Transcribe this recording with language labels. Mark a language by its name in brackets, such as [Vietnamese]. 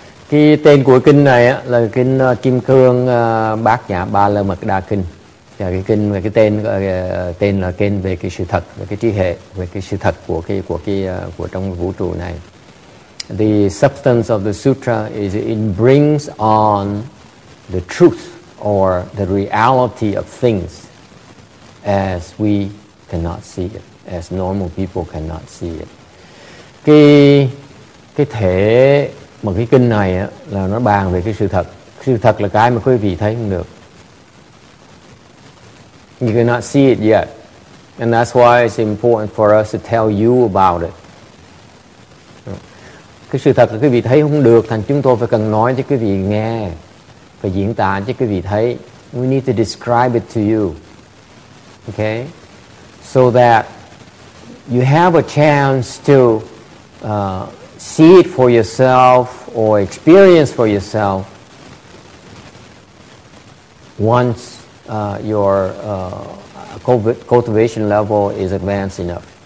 [Vietnamese] Cái tên của kinh này là kinh Kim Cương Bát Nhã Ba La Mật Đa Kinh. Và cái kinh và cái tên tên là kinh về cái sự thật, về cái trí hệ, về cái sự thật của trong vũ trụ này. [English] The substance of the sutra is it brings on the truth or the reality of things as we cannot see it, as normal people cannot see it. [Vietnamese] Cái cái thể mà cái kinh này á, là nó bàn về cái sự thật. Sự thật là cái mà quý vị thấy không được. [English] You cannot see it yet. And that's why it's important for us to tell you about it. [Vietnamese] Cái sự thật là quý vị thấy không được, thành chúng tôi phải cần nói cho quý vị nghe, phải diễn tả cho quý vị thấy. [English] We need to describe it to you. Okay? So that you have a chance to see it for yourself or experience for yourself once your cultivation level is advanced enough.